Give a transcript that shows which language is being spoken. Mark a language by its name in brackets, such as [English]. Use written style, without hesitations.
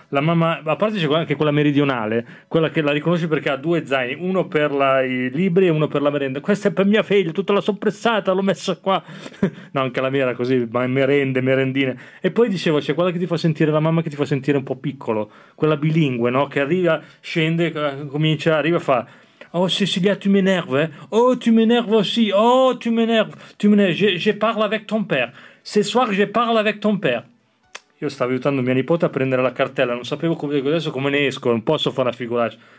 [Italian] La mamma, a parte c'è anche quella meridionale, quella che la riconosce perché ha due zaini, uno per i libri e uno per la merenda. Questa è per mia figlia, tutta la soppressata, l'ho messa qua. No, anche la mia era così, ma merende, merendine. E poi dicevo, c'è quella che ti fa sentire, la mamma che ti fa sentire un po' piccolo, quella bilingue, no? Che arriva, scende, comincia, arriva, fa... [French] Oh, Cecilia, tu m'énerve, eh? Oh, tu m'énerve aussi, oh, tu m'énerve, je parle avec ton père. Ce soir je parle avec ton père. [Italian] Io stavo aiutando mia nipote a prendere la cartella, non sapevo come, adesso come ne esco, non posso fare una figuraccia.